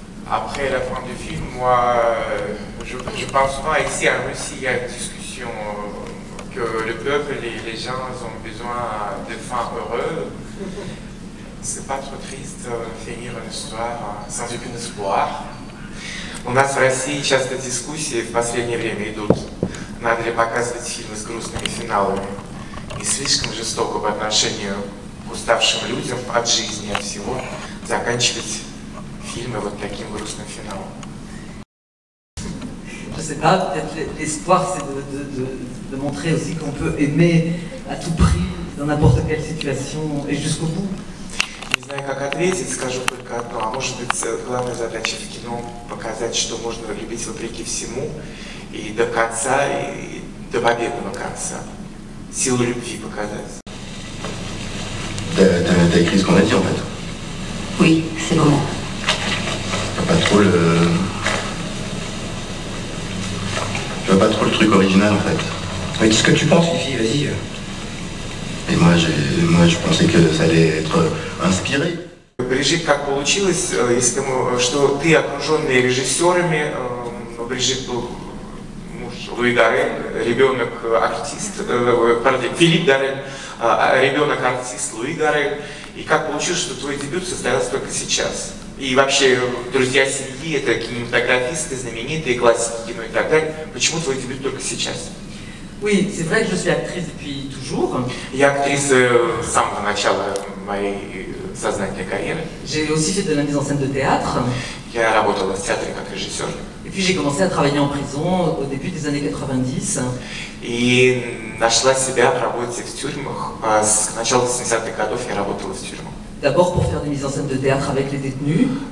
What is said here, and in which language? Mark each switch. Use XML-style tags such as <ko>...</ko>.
<fr>Après la fin du film, moi, je pense pas, ici en Russie, il y a une discussion que le peuple, les gens ont besoin de fins heureuses. C'est pas trop triste finir une histoire sans aucun espoir.</fr> <ru>У нас в России часто дискуссии в последнее время идут, надо ли показывать фильмы с грустными финалами и слишком жестоко по отношению к уставшим людям от жизни, от всего, заканчивать фильмы вот таким грустным финалом. Je sais pas, peut-être l'espoir c'est de montrer aussi qu'on peut aimer à tout prix, dans n'importe quelle situation et jusqu'au bout. Не знаю, как ответить, скажу только одно. А может быть, главная задача в кино – показать, что можно любить вопреки всему, и до конца, и до победного конца. Силу любви показать.</ru> <fr>T'as écrit ce qu'on a dit, en fait? Oui, c'est bon. Tu vois pas trop le truc original, en fait. Mais qu'est-ce que tu penses, Fifi? Vas-y.</fr> <ru>И я</ru> <fr>pensais que ça allait être inspiré.</fr> <ru>Брижит, как получилось, если мы, что ты окружённый режиссёрами, Брижит был муж Луи Дорен, ребёнок артист, Филипп Дорен, ребёнок артист Луи Дорен. И как получилось, что твой дебют состоялся только сейчас? И вообще, друзья семьи, это кинематографисты, знаменитые классики кино и так далее. Почему твой дебют только сейчас?</ru> <fr>Oui, c'est vrai que je suis actrice depuis toujours.</fr> <ru>Я актриса с самого начала моей сознательной карьеры.</ru> <fr>J'ai aussi fait de la mise en scène de théâtre.</fr> <ru>Я работала в театре как режиссер.</ru> <fr>Et puis j'ai commencé à travailler en prison au début des années 90.</fr> <ru>И нашла себя в работе в тюрьмах. С начала 70-х годов я работала в тюрьмах.</ru> <fr>D'abord pour faire des mises en scène de théâtre avec les détenus.</fr>